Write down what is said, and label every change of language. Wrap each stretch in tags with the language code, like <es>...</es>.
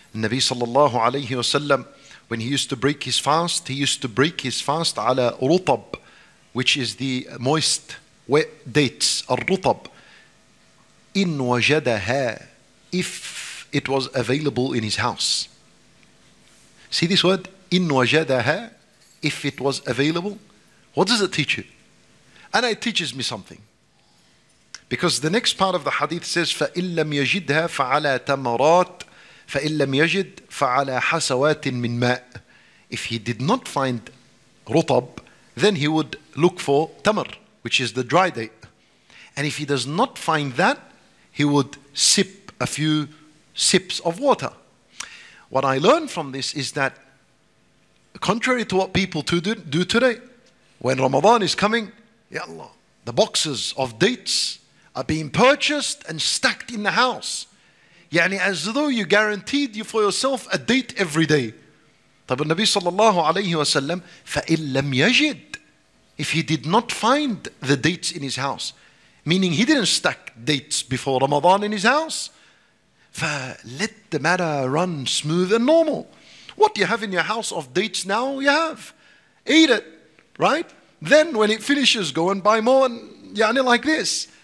<en>Nabi sallallahu alayhi wasallam, when he used to break his fast, he used to break his fast ala rutab, which is the moist, wet dates, al-rutab. In wajadaha, if it was available in his house. See this word, in wajadaha, if it was available. What does it teach you? And it teaches me something. Because the next part of the hadith says,</en> <ar>فَإِن لَمْ يَجِدْهَا فَعَلَى تَمَرَاتِ فَإِن لَمْ يَجِدْ فَعَلَى حَسَوَاتٍ مِّن مَاءٍ.</ar> <en>If he did not find rutab, then he would look for tamar, which is the dry date. And if he does not find that, he would sip a few sips of water. What I learned from this is that, contrary to what people do today, when Ramadan is coming, ya Allah, the boxes of dates are being purchased and stacked in the house. Yani as though you guaranteed you for yourself a date every day.</en> <ar>طيب النبي صلى الله عليه وسلم فإن لم يجد.</ar> <en>If he did not find the dates in his house, meaning he didn't stack dates before Ramadan in his house, فلت the matter run smooth and normal. What you have in your house of dates now, you have. Eat it, right? Then when it finishes, go and buy more, and yani like this.</en>